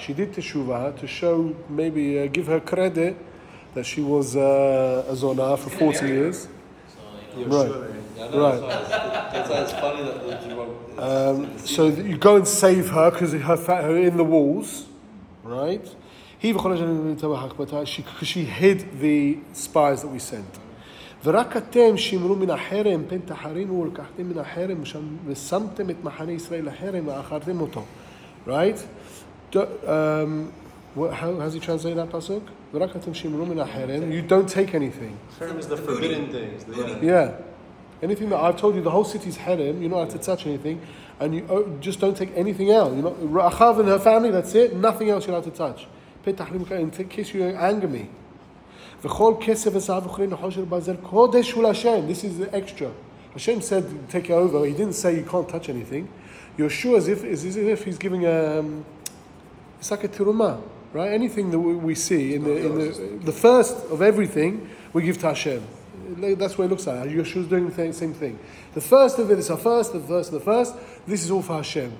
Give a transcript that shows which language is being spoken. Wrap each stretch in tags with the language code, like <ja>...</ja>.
<en>She did Teshuvah to show, maybe give her credit that she was a Zona for 40 years. Right. That's funny that you won't. So you go and save her because her in the walls, right? She hid the spies that we sent.</en> <he>ורק אתם שימרו מן החרם, פן תחרים ולקחתם מן החרם, ושמתם את מחנה ישראל לחרם ואחרתם אותו.</he> <en>Right? How does he translate that pasuk?</en> <he>ורק אתם שימרו מן החרם,</he> <en>you don't take anything. Harem is the forbidden things. Yeah. Anything that I've told you, the whole city is harem, you're not allowed to touch anything, and you just don't take anything else. Rachav and her family, that's it, nothing else you're allowed to touch.</en> <he>פן תחרים,</he> <en>in case you anger me.</en> <he>וכל כסף וזהב וכלי נחושת ברזל קודש הוא להשם.</he> <en>This is the extra. Hashem said, take it over. He didn't say you can't touch anything. Yeshua, as if he's giving a It's like a tiruma, right? Anything that we see it's in the first of everything, we give to Hashem. That's what it looks like. Yeshua's doing the same thing. The first of it is our first, the first, the first. This is all for Hashem.</en>